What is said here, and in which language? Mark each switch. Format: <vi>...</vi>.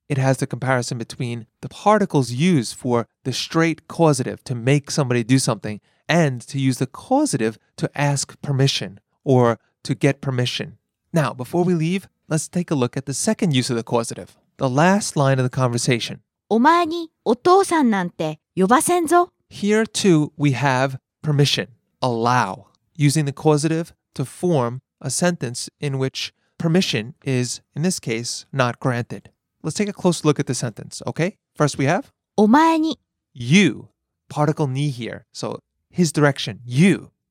<en>It has the comparison between the particles used for the straight causative to make somebody do something and to use the causative to ask permission or to get permission. Now, before we leave, let's take a look at the second use of the causative, the last line of the conversation.</en> <ja>お前にお父さんなんて呼ばせんぞ。</ja> <en>Here, too, we havePermission, allow, using the causative to form a sentence in which permission is, in this case, not granted. Let's take a close look at the sentence, okay? First we have</en> <ja>お前に</ja> <en>You, particle ni here, so his direction, you.</en>